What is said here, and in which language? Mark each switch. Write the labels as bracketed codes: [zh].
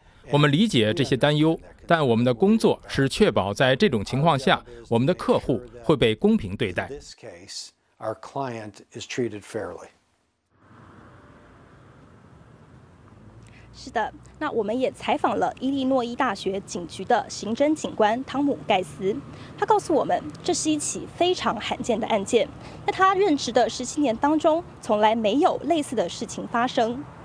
[zh] 我们理解这些担忧，但我们的工作是确保在这种情况下，我们的客户会被公平对待。 [en] Our client is treated fairly. [zh] 是的，那我们也采访了伊利诺伊大学警局的刑侦警官汤姆盖斯，他告诉我们，这是一起非常罕见的案件。那他任职的17年当中，从来没有类似的事情发生。